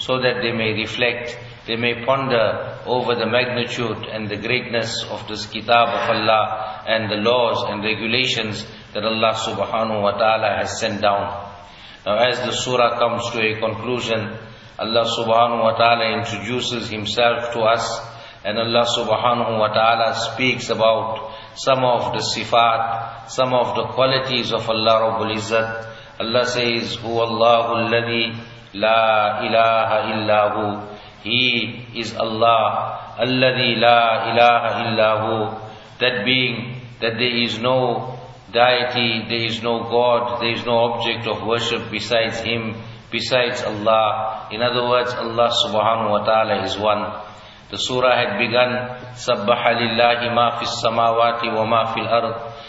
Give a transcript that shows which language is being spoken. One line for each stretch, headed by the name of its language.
English: So that they may reflect, they may ponder over the magnitude and the greatness of this kitab of Allah and the laws and regulations that Allah subhanahu wa ta'ala has sent down. Now as the surah comes to a conclusion, Allah subhanahu wa ta'ala introduces himself to us, and Allah subhanahu wa ta'ala speaks about some of the sifat, some of the qualities of Allah Rabbul Izzat. Allah says,
Arabic: هُوَ اللَّهُ الَّذِي لَا إِلَٰهَ إِلَّا هُوَ.
English: He is Allah,
Arabic: الَّذِي لَا إِلَٰهَ إِلَّا هُوَ.
English: That being that there is no deity, there is no God, there is no object of worship besides Him, besides Allah. In other words, Allah subhanahu wa ta'ala is one. The surah had begun,
Arabic: سَبَّحَ لِلَّهِ مَا فِي السَّمَاوَاتِ وَمَا فِي الْأَرْضِ.